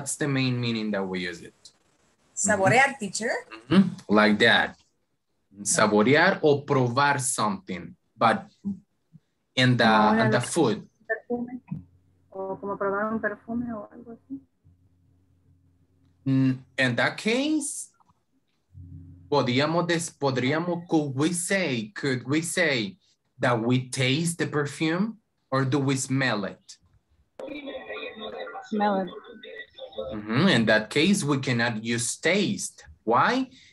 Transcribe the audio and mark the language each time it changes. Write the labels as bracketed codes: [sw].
[en] That's the main meaning that we use it. [es] Saborear, teacher. [en] Mm-hmm. Like that. [es] Saborear o probar [en] something, but in the, no, and the food. Perfume. [es] O como probar un perfume o algo así. [en] In that case, could we say that we taste the perfume or do we smell it? Smell it. Mm-hmm. In that case, we cannot use taste. Why?